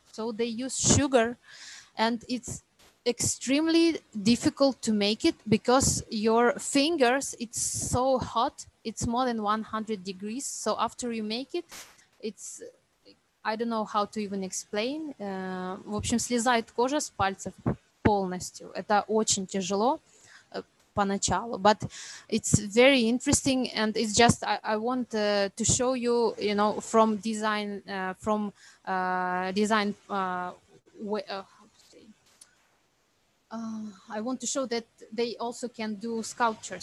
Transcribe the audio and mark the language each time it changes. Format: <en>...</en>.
<en>So they use sugar, and it's extremely difficult to make it because your fingers, it's so hot, it's more than 100 degrees. So after you make it, it's, I don't know how to even explain.</en> <ru>В общем, слезает кожа с пальцев полностью. Это очень тяжело поначалу.</ru> <en>But it's very interesting, and it's just, I want to show you, you know, from design, I want to show that they also can do sculptures.</en>